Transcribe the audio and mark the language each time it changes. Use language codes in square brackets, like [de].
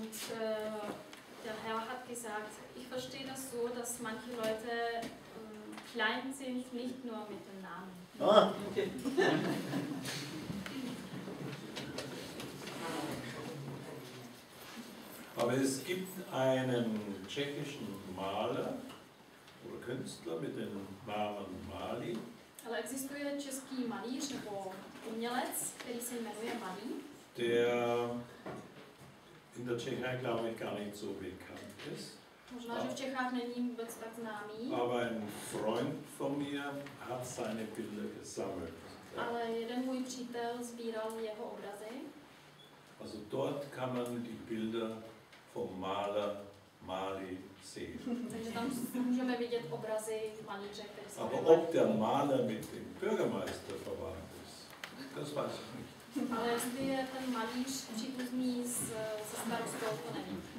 [de] Der Herr hat gesagt, ich verstehe das so, dass manche Leute klein sind, nicht nur mit dem Namen. Ah, okay. Aber es gibt einen tschechischen Maler oder Künstler mit dem Namen Mali. [cs] Ale existuje český malíř nebo umělec, který se jmenuje Mali. [de] Der in der Tschechei, glaube ich, gar nicht so bekannt ist. [cs] Možná, že v Čechách není vůbec tak známý. [de] Aber ein Freund von mir hat seine Bilder gesammelt. [cs] Ale jeden můj přítel sbíral jeho obrazy. [de] Also dort kann man die Bilder vom Maler Mali sí. [cs] Takže tam můžeme vidět obrazy malíře, které jsou... [de] Aber ob der Maler mit dem Bürgermeister verwandt ist, das weiß ich nicht. [cs] Ale jestli je ten malíř příbuzný se starostou, to není.